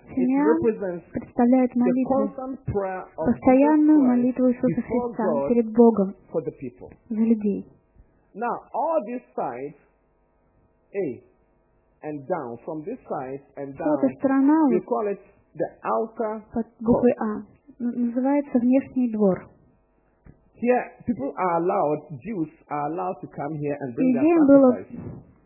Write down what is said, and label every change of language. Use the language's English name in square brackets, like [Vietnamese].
[Russian] Семья представляет молитву, постоянную молитву Иисуса Христа перед Богом за людей. [English] Now all this side, A, and down from this side and down, we call it the outer court. [Russian] Под буквой А называется внешний двор. [English] Here people are allowed, Jews are allowed to come here and bring their sacrifices.